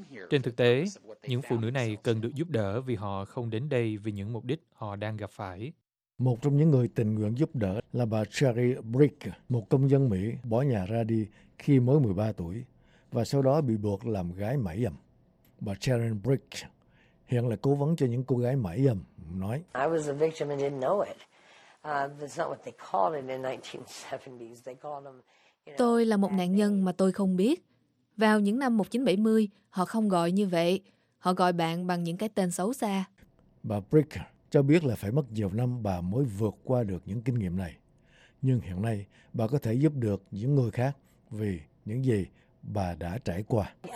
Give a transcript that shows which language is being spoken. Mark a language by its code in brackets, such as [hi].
[vi] Trên thực tế, những phụ nữ này cần được giúp đỡ vì họ không đến đây vì những mục đích họ đang gặp phải. Một trong những người tình nguyện giúp đỡ là bà Cherry Brick, một công dân Mỹ bỏ nhà ra đi khi mới 13 tuổi và sau đó bị buộc làm gái mại dâm. Bà Cherry Brick hiện là cố vấn cho những cô gái mại dâm, nói: [en] I was a victim and didn't know it. That's not what they called it in the 1970s. They called them. [vi] Tôi là một nạn nhân mà tôi không biết. Vào những năm 1970, họ không gọi như vậy. Họ gọi bạn bằng những cái tên xấu xa. Bà Brick cho biết là phải mất nhiều năm bà mới vượt qua được những kinh nghiệm này. Nhưng hiện nay, bà có thể giúp được những người khác vì những gì bà đã trải qua.